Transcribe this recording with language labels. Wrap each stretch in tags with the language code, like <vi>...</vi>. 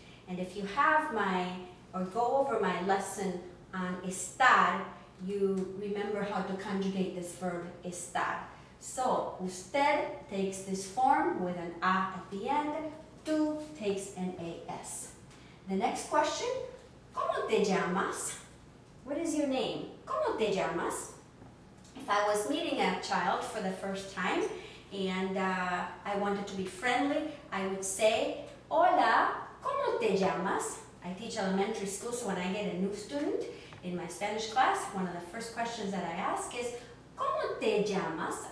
<en>And if you have my, or go over my lesson on estar, you remember how to conjugate this verb estar. So usted takes this form with an A at the end, tú takes an AS. The next question,</en> <es>¿cómo te llamas?</es> <en>What is your name?</en> <es>¿Cómo te llamas?</es> <en>If I was meeting a child for the first time and I wanted to be friendly, I would say,</en> <es>hola, ¿cómo te llamas?</es> <en>I teach elementary school, so when I get a new student in my Spanish class, one of the first questions that I ask is,</en> <es>¿cómo te llamas?</es>